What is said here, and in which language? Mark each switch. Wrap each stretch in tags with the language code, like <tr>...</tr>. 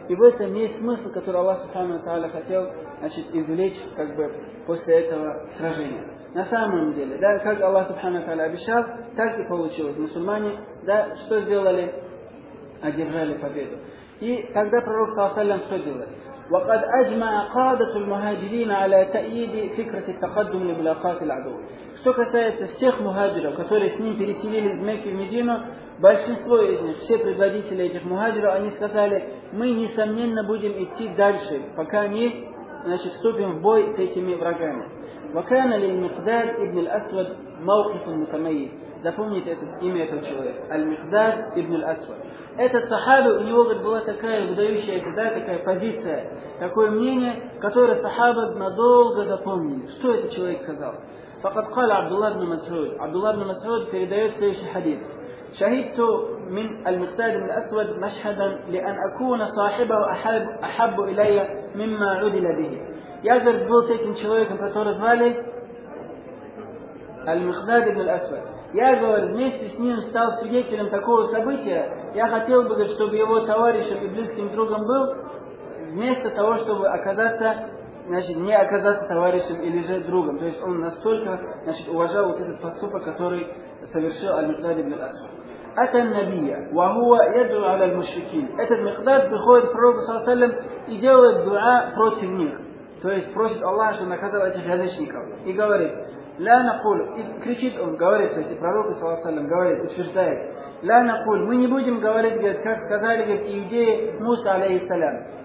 <ru>И в этом есть смысл, который Аллах Субхану ва Тааля хотел, значит, извлечь, как бы, после этого сражения. На самом деле, да, как Аллах Субхану ва Тааля обещал, так и получилось. Мусульмане, да, что сделали? Одержали победу. И тогда пророк, саллаллаху алейхи ва саллям, что делает?</ru> <ar>وقد أجمع قادة المهاجرين على تأييد فكرة التقدم لملاقات العدو.</ar> <ru>Что касается всех мухаджиров, которые с ним переселились из Мекки в Медину, большинство из них, все предводители этих мухаджиров, они сказали, мы несомненно будем идти дальше, пока они значит, вступим в бой с этими врагами.</ru> <ar>وكان للمقداد ابن الأسود موقف متميز.</ar> <ru>Запомните это имя этого человека. Аль-Мигдад ибн Аль-Асвад. Этот сахаба, у него была такая выдающаяся, да, такая позиция, такое мнение, которое сахаба надолго запомнили. Что этот человек сказал?</ru> <ar>فقد قال عبد الله بن مسعود. عبد الله بن مسعود</ar> <ru>передает следующий хадис.</ru> <ar>شهدت من المقداد بن الأسود مشهدا لأن أكون صاحبه أحب إلي مما عدل به.</ar> <ru>Я был с этим человеком, который звали Аль-Мигдад ибн Аль-Асвад. Я, говорю, вместе с ним стал свидетелем такого события. Я хотел бы, чтобы его товарищем и близким другом был, вместо того, чтобы оказаться, значит, не оказаться товарищем или же другом. То есть он настолько, значит, уважал вот этот поступок, который совершил Аль-Мигдад ибн Аль-Асвад.</ru> <ar>أتى النبي وهو يدعو على المشركين.</ar> <ru>Этот Мигдад приходит к пророку саллаллаху алейхи ва саллям и делает дуа против них. То есть просит Аллаха, чтобы наказал этих язычников. И говорит,</ru> <ar>ля накуль,</ar> <ru>и кричит он, говорит, то есть пророк, саллаллам, говорит, утверждает, ля накуль, мы не будем говорить, говорит, как сказали, говорит, иудеи Муса, алейхиссалям.</ru>